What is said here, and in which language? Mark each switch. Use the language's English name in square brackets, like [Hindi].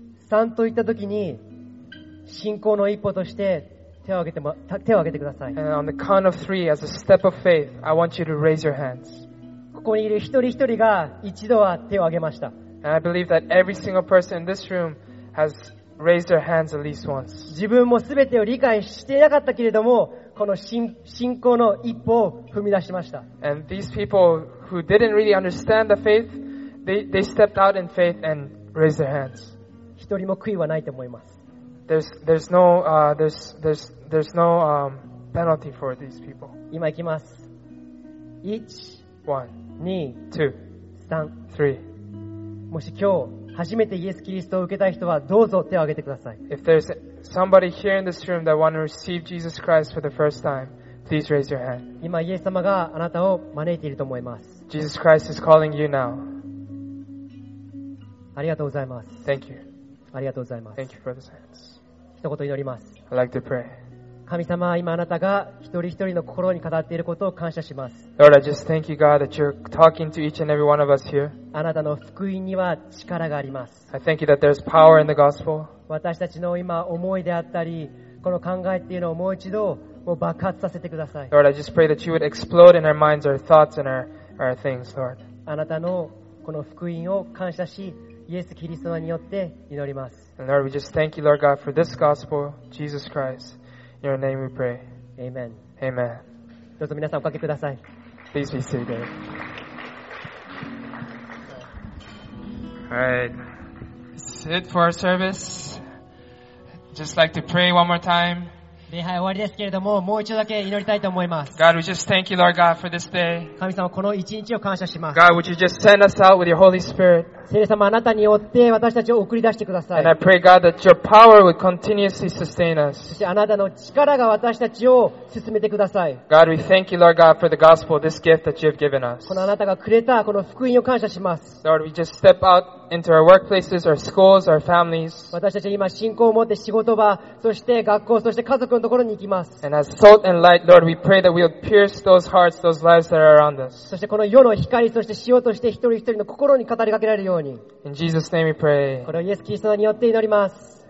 [Japanese] 3と言ったときに信仰の一歩として手を挙げてください。 [English] And on the count of three, as a step of faith, I want you to raise your hands. [Japanese] ここにいる一人一人が一度は手を挙げました。 [English] And I believe that every single person in this room has raised their hands at least once. [Japanese] 自分もすべてを理解していなかったけれども、この信仰の一歩を踏み出しました。 [English] And these people who didn't really understand the faith, they stepped out in faith and raised their hands. [Japanese] 一人も悔いはないと思います。 [English] penalty for these people. [Japanese] 今行きます。 [English] 1, 2, 3. [Japanese] もし今日初めてイエス・キリストを受けたい人はどうぞ手を挙げてください。 [English] If there's somebody here in this room that want to receive Jesus Christ for the first time, please raise your hand. [Japanese] 今イエス様があなたを招いていると思います。 [English] Jesus Christ is calling you now. [Japanese] ありがとうございます。 [English] Thank you. [Japanese] ありがとうございます。 [English] Thank you for the hands. [Japanese] 一言祈ります。 [English] I'd like to pray. [Japanese] 神様、今あなたが一人一人の心に語っていることを感謝します。 [English] Lord, I just thank you, God, that you're talking to each and every one of us here. [Japanese] あなたの福音には力があります。 [English] I thank you that there's power in the gospel. [Japanese] 私たちの今思いであったり、この考えっていうのをもう一度もう爆発させてください。 [English] Lord, I just pray that you would explode in our minds, our thoughts, and our things, Lord. [Japanese] あなたのこの福音を感謝し、イエス・キリストによって祈ります。 [English] And Lord, we just thank you, Lord God, for this gospel, Jesus Christ. In your name we pray. Amen. Amen. [Japanese] どうぞ皆さんおかけください。 [English] Please be seated. All right. That's it for our service. Just like to pray one more time. [Japanese] 礼拝終わりですけれども、もう一度だけ祈りたいと思います。 [English] God, we just thank you, Lord God, for this day. [Japanese] 神様、この一日を感謝します。 [English] God, would you just send us out with your Holy Spirit? [Japanese] 聖霊様、あなたによって私たちを送り出してください。 [English] And I pray, God, that your power would continuously sustain us. [Japanese] そしてあなたの力が私たちを進めてください。 [English] God, we thank you, Lord God, for the gospel, this gift that you have given us. [Japanese] このあなたがくれたこの福音を感謝します。 [English] Lord, we just step out into our workplaces, our schools, our families. [Japanese] 私たちは今信仰を持って仕事場、そして学校、そして家族のところに行きます。 [English] And as salt and light, Lord, we pray that we'll pierce those hearts, those lives that are around us. [Japanese] そしてこの世の光、そして塩として一人一人の心に語りかけられるように。 [English] In Jesus' name we pray. [Japanese] これをイエス・キリストによって祈ります。